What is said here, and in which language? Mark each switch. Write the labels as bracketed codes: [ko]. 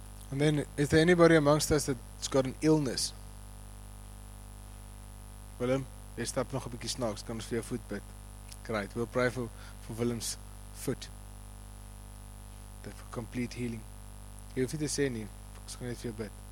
[en] And then, is there anybody amongst us that's got an illness? [af] Willem, jy stap nog 'n bietjie snaaks, kan ons vir jou voet bid? [en] Great, we'll pray for Willem's foot. That for complete healing. [af] Jy hoef nie te sê nie, ons gaan net vir jou bid.